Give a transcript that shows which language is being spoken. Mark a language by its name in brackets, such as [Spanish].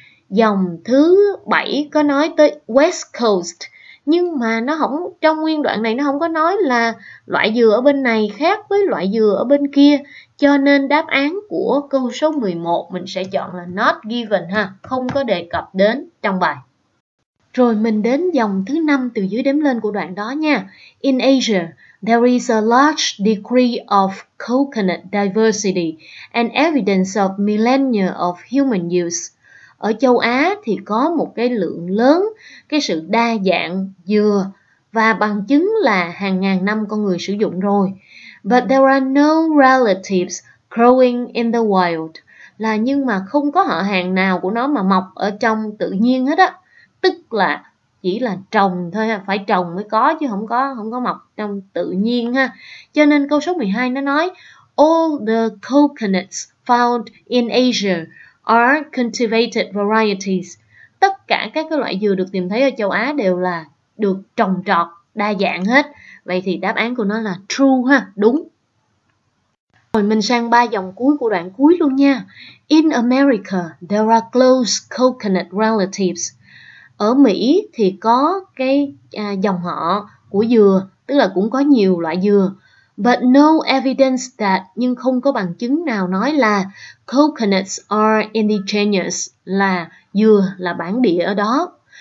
[Vietnamese] Dòng thứ 7 có nói tới [English] west coast, [Vietnamese] nhưng mà nó không, trong nguyên đoạn này nó không có nói là loại dừa ở bên này khác với loại dừa ở bên kia. Cho nên đáp án của câu số 11 mình sẽ chọn là not given ha, không có đề cập đến trong bài. Rồi mình đến dòng thứ 5 từ dưới đếm lên của đoạn đó nha. [English] In Asia, there is a large degree of coconut diversity and evidence of millennia of human use. [Vietnamese] Ở châu Á thì có một cái lượng lớn, cái sự đa dạng dừa và bằng chứng là hàng ngàn năm con người sử dụng rồi. [English] But there are no relatives growing in the wild, [Vietnamese] là nhưng mà không có họ hàng nào của nó mà mọc ở trong tự nhiên hết á. Tức là chỉ là trồng thôi, phải trồng mới có chứ không có mọc trong tự nhiên ha. Cho nên câu số 12 nó nói [English] all the coconuts found in Asia are cultivated varieties. [Vietnamese] Tất cả các cái loại dừa được tìm thấy ở châu Á đều là được trồng trọt đa dạng hết. Vậy thì đáp án của nó là true ha, đúng. Rồi mình sang ba dòng cuối của đoạn cuối luôn nha. [English] In America there are close coconut relatives. [Vietnamese] Ở Mỹ thì có cái dòng họ của dừa, tức là cũng có nhiều loại dừa. [English] But no evidence that, [Vietnamese] nhưng không có bằng chứng nào nói là [English] coconuts are indigenous, [Vietnamese] là dừa là bản địa ở đó.